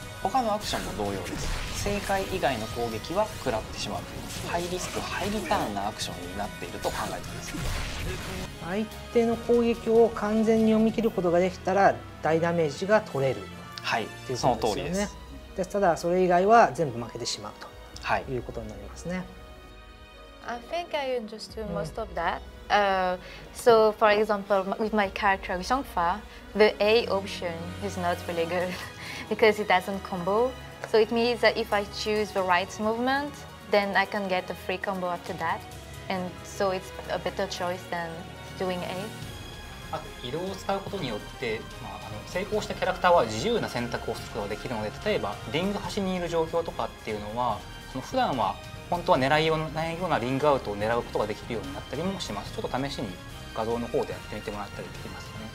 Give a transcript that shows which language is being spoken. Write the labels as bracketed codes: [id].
[ja] 他のアクションも同様です。正解以外の攻撃は食らってしまう、ハイリスクハイリターンなアクションになっていると考えています。相手の攻撃を完全に読み切ることができたら大ダメージが取れる、はい、ね、その通りです。でただそれ以外は全部負けてしまうと、はい、いうことになりますね。 [en] I think I understood most of that. So for example, with my character Zhongfa, the A option is not really good because it doesn't combo. So it means that if I choose the right movement, then I can get a free combo after that. And so it's a better choice than doing A. [ja] あと移動を使うことによって、まあ、成功したキャラクターは自由な選択をすることができるので、例えばリング端にいる状況とかっていうのは普段は本当は狙いないようなリングアウトを狙うことができるようになったりもします。ちょっと試しに画像の方でやってみてもらったりできますね。